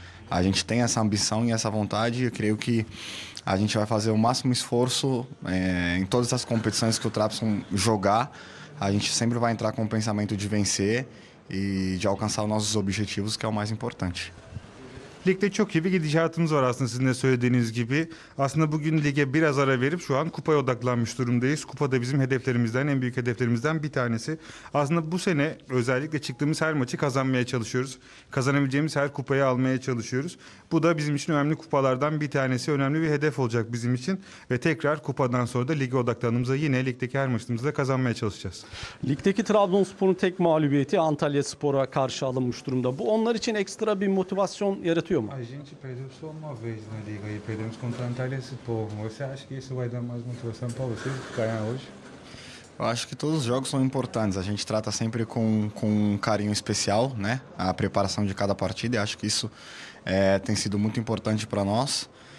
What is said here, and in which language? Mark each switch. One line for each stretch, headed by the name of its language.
Portuguese: A gente tem essa ambição e essa vontade. E eu creio que a gente vai fazer o máximo esforço em todas as competições que o Trabzon jogar. A gente sempre vai entrar com o pensamento de vencer e de alcançar nossos objetivos, que é o mais importante.
Turkish: Ligde çok iyi bir gidişatınız var aslında, sizin de söylediğiniz gibi. Aslında bugün lige biraz ara verip şu an kupaya odaklanmış durumdayız. Kupa da bizim hedeflerimizden, en büyük hedeflerimizden bir tanesi. Aslında bu sene özellikle çıktığımız her maçı kazanmaya çalışıyoruz. Kazanabileceğimiz her kupayı almaya çalışıyoruz. Bu da bizim için önemli kupalardan bir tanesi. Önemli bir hedef olacak bizim için. Ve tekrar kupadan sonra da lige odaklandığımızda yine ligdeki her maçımızı da kazanmaya çalışacağız. Ligdeki Trabzonspor'un tek mağlubiyeti Antalya Spor'a karşı alınmış durumda. Bu onlar için ekstra bir motivasyon yaratıyor.
Portuguese: A gente perdeu só uma vez na liga e perdemos contra o Antalya Spor. Você acha que isso vai dar mais motivação para vocês ganhar hoje? Eu acho que todos os jogos são importantes. A gente trata sempre com um carinho especial, né? A preparação de cada partida. Eu acho que isso tem sido muito importante para nós.